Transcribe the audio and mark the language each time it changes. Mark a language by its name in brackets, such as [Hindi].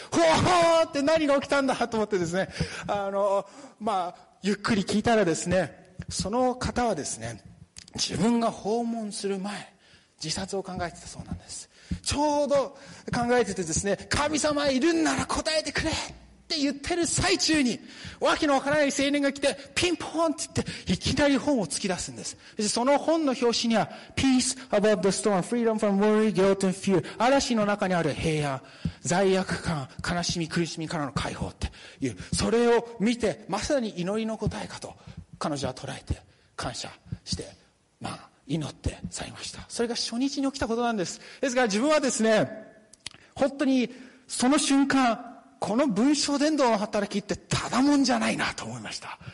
[Japanese] ほーほーって何が起きたんだと思ってですね、まあ、ゆっくり聞いたらですね、その方はですね、自分が訪問する前、自殺を考えてたそうなんです。ちょうど考えててですね、神様いるんなら答えてくれって言ってる最中に、わけのわからない青年が来て、ピンポーンって言って、いきなり本を突き出すんです。その本の表紙には、 [English] Peace above the storm, freedom from worry, guilt and fear. [Japanese] 嵐の中にある平安、罪悪感、悲しみ、苦しみからの解放っていう、それを見て、まさに祈りの答えかと、彼女は捉えて、感謝して、まあ、祈ってされました。それが初日に起きたことなんです。ですから自分はですね、本当にその瞬間、この文書伝道の働きってただもんじゃないなと思いました。